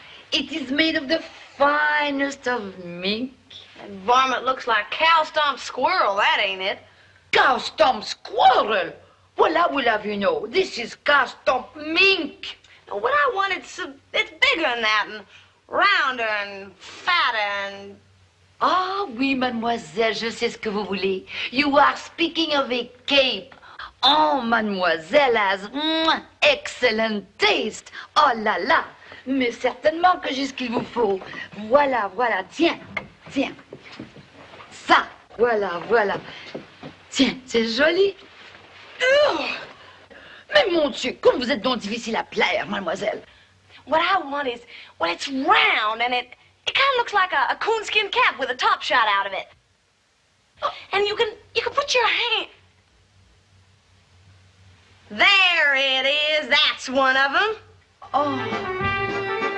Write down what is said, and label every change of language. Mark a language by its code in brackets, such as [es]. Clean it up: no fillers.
[en] It is made of the finest of mink. That varmint looks like cow stomp squirrel, that ain't it. Cow-stomp squirrel? Well, I will have you know, this is cow-stomp mink. Now, what I want, it's bigger than that, and rounder, and fatter, and... [fr] Ah, oui, mademoiselle, je sais ce que vous voulez. [en] You are speaking of a cape. Oh, mademoiselle has excellent taste. [fr] Oh là là, mais certainement que j'ai ce qu'il vous faut. Voilà, voilà, tiens, tiens. Ça, voilà, voilà. Tiens, c'est joli. Ugh. Mais mon Dieu, comme vous êtes donc difficile à plaire, mademoiselle. [en] What I want is, well, it's round and it kind of looks like a coonskin cap with a top shot out of it. And you can put your hand. There it is. That's one of them. Oh.